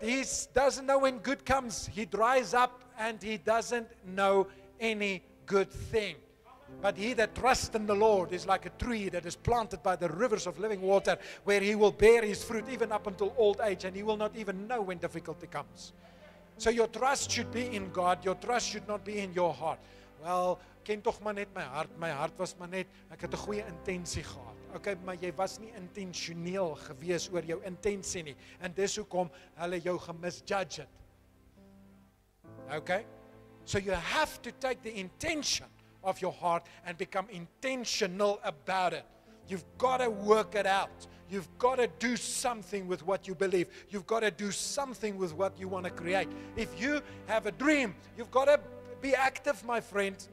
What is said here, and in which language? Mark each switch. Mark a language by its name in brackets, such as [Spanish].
[English] He doesn't know when good comes. He dries up and he doesn't know any good thing. But he that trusts in the Lord is like a tree that is planted by the rivers of living water, where he will bear his fruit even up until old age, and he will not even know when difficulty comes. So your trust should be in God. Your trust should not be in your heart. [Afrikaans] Well, ken toch maar net my hart. My hart was maar net, ek het 'n goeie intensie gehad. Okay, maar jy was nie intentioneel gewees oor jou intensie nie. En dis hoekom hulle jou gemisjudge het. Okay? [English] So you have to take the intention of your heart and become intentional about it. You've got to work it out. You've got to do something with what you believe. You've got to do something with what you want to create. If you have a dream, you've got to be active, my friend.